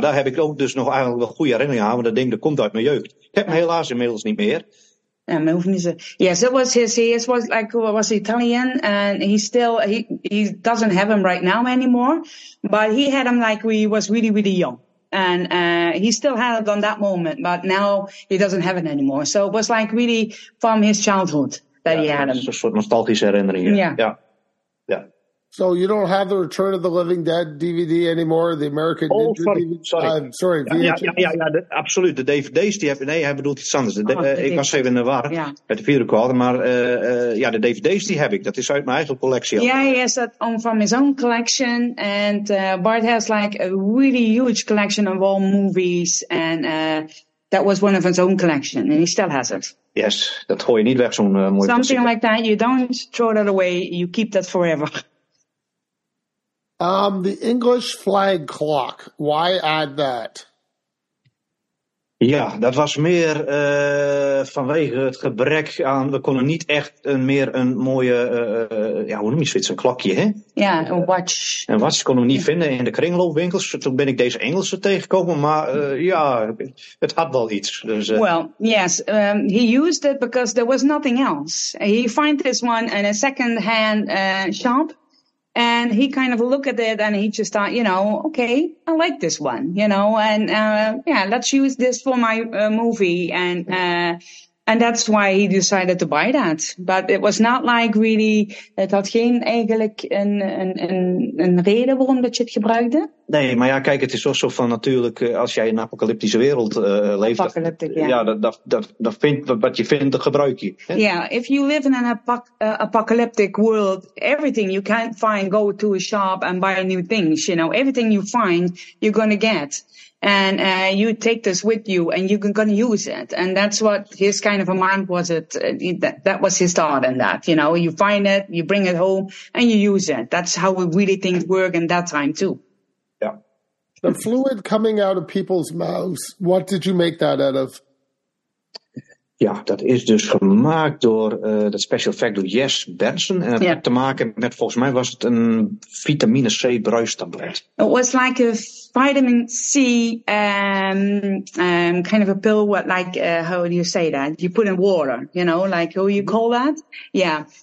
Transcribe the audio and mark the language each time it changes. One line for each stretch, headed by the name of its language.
Dutch: Daar heb ik ook dus nog eigenlijk wel goede herinneringen aan, want dat ding dat komt uit mijn jeugd. Ik heb hem helaas inmiddels niet meer. Ja, maar hoeft niet zo.
English: Yes, it was his was like was Italian and he doesn't have him right now anymore, but he had him like he was really really young. And he still had it on that moment, but now he doesn't have it anymore. So it was like really from his childhood that he had him.
Dutch: Een soort nostalgische herinnering.
English: So you don't have the Return of the Living Dead DVD anymore, the American Ninja DVD?
Dutch: Absoluut. De DVD's die hebben. Nee, hij bedoelt iets anders. Ik was even in de war met de videorecorder, maar de DVD's die heb ik. Dat is uit mijn eigen collectie.
English: Yeah, he has that from his own collection. And Bart has like a really huge collection of all movies. And that was one of his own collection. And he still has it.
Dutch: Yes, dat gooi je niet weg, zo'n mooie
English: Something klassieker. Like that, you don't throw that away, you keep that forever. The English flag clock, why add that?
Dutch: Ja, dat was meer vanwege het gebrek aan... We konden niet echt een mooie... hoe noem je zoiets? Een klokje, hè? Ja, een watch. Een watch konden we niet vinden in de kringloopwinkels. Toen ben ik deze Engelse tegengekomen, maar het had wel iets. Dus,
English: he used it because there was nothing else. He found this one in a second-hand shop. And he kind of looked at it and he just thought, you know, okay, I like this one, you know, and let's use this for my movie. And And that's why he decided to buy that. But it was not like really,
Dutch: het had geen eigenlijk een reden waarom dat je het gebruikte. Nee, maar ja, kijk, het is ook zo van natuurlijk, als jij een apocalyptische wereld leeft.
English: Apocalyptic,
Dutch: ja. Wat je vindt, dat gebruik je.
English: Ja, yeah, if you live in an apocalyptic world, everything you can't find, go to a shop and buy new things. You know, everything you find, you're going to get. And you take this with you and you can use it. And that's what his kind of a mind was. That was his thought in that. You know, you find it, you bring it home and you use it. That's how we really things work in that time too. Yeah. The fluid coming out of people's mouths, what did you make that out of?
Dutch: Ja, dat is dus gemaakt door dat special effect door Jess Benson. En dat had te maken met, volgens mij was het een vitamine C bruistablet.
English: It was like a vitamin C kind of a pill, what like how do you say that? You put in water, you know, like how you call that? Yeah.